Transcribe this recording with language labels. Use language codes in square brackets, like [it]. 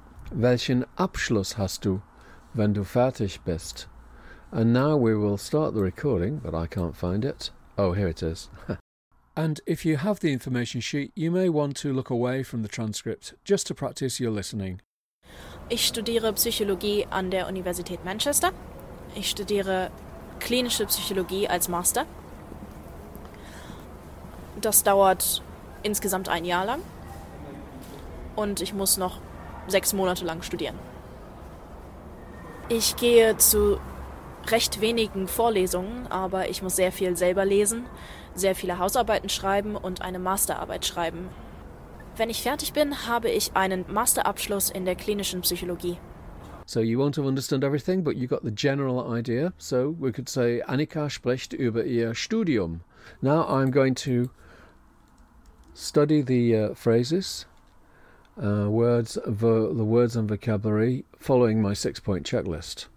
[de] Welchen Abschluss hast du, wenn du fertig bist? [en] And now we will start the recording, but I can't find it. Oh, here it is. And if you have the information sheet, you may want to look away from the transcript just to practice your listening. [de] Ich studiere Psychologie an der Universität Manchester. Ich studiere klinische Psychologie als Master. Das dauert insgesamt ein Jahr lang. Und ich muss noch 6 Monate lang studieren. Ich gehe zu recht wenigen Vorlesungen, aber ich muss sehr viel selber lesen, sehr viele Hausarbeiten schreiben und eine Masterarbeit schreiben. Wenn ich fertig bin, habe ich einen Masterabschluss in der klinischen Psychologie. [en] So you won't have understood everything, but you got the general idea. So we could say [de] Annika spricht über ihr Studium. [en] Now I'm going to study the phrases, the words and vocabulary following my 6-point checklist.